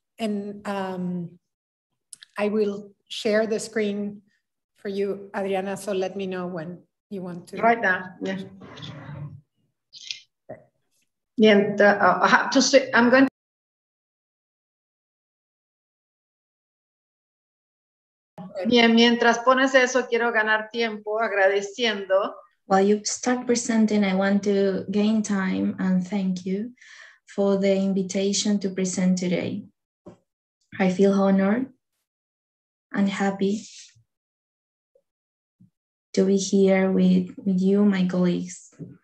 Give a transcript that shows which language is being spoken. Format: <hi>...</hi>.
<en>And I will share the screen for you, Adriana, so let me know when you want to. Right now, yeah. Okay. And I have to say, I'm going to.</en> <es>Bien, mientras pones eso, quiero ganar tiempo agradeciendo.</es> <en>While you start presenting, I want to gain time and thank you for the invitation to present today. I feel honored and happy to be here with you, my colleagues.</en>